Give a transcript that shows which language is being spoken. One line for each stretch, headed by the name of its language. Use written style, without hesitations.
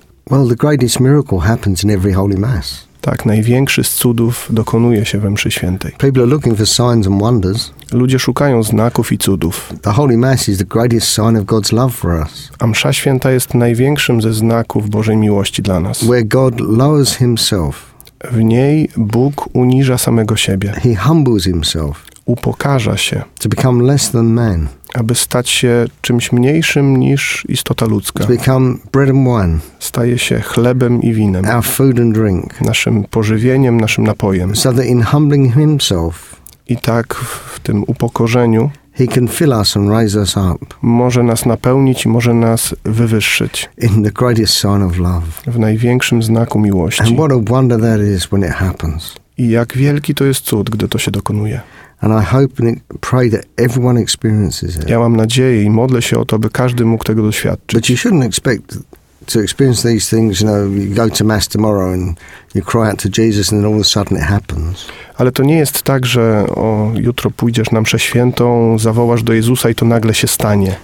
English: Well, the greatest miracle happens in every Holy Mass.
Polish: Tak, największy z cudów dokonuje się we mszy świętej.
English: People are looking for signs and wonders.
Polish: Ludzie szukają znaków i cudów.
English: The Holy Mass is the greatest sign of God's love for us.
Polish: A msza święta jest największym ze znaków Bożej miłości dla nas.
English: Where God lowers himself.
Polish: W niej Bóg uniża samego siebie.
English: He humbles himself.
Polish: Upokarza się.
English: To become less than man.
Polish: Aby stać się czymś mniejszym niż istota ludzka.
English: To become bread and wine.
Polish: Staje się chlebem i winem.
English: Our food and drink.
Polish: Naszym pożywieniem, naszym napojem.
English: So that in humbling himself.
Polish: I tak w tym upokorzeniu.
English: He can fill us and raise us up.
Polish: Może nas napełnić i może nas wywyższyć.
English: In the greatest sign of love.
Polish: W największym znaku miłości.
English: And what a wonder that is when it happens.
Polish: I jak wielki to jest cud, gdy to się dokonuje.
English: And I hope and pray that everyone experiences it.
Polish: Ja mam nadzieję i modlę się o to, by każdy mógł tego doświadczyć.
English: But you shouldn't expect to experience these things, you know, you go to mass tomorrow and you cry out to Jesus and then all of a sudden it happens.
Polish: Ale to nie jest tak, że jutro pójdziesz na mszę świętą, zawołasz do Jezusa i to nagle się stanie.